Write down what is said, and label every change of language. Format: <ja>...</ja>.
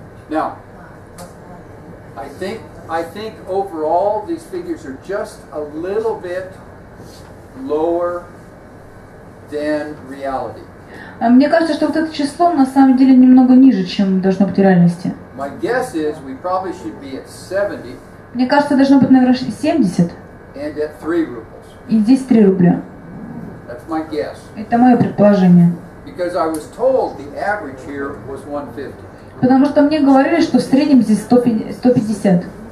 <en>Now, I think overall these figures are just a little bit lower than reality.</en> <ru>Мне кажется, что вот это число на самом деле немного ниже, чем должно быть в реальности.</ru> <en>My guess is we probably should be at 70.</en> <ru>Мне кажется, должно быть, наверное, 70.</ru> <en>And at 3 rubles.</en> <ru>И здесь 3 рубля.</ru> <en>That's my guess.</en> <ru>Это мое предположение.</ru> <en>Because I was told the average here was 150.</en> <ru>Потому что мне говорили, что в среднем здесь 150.</ru>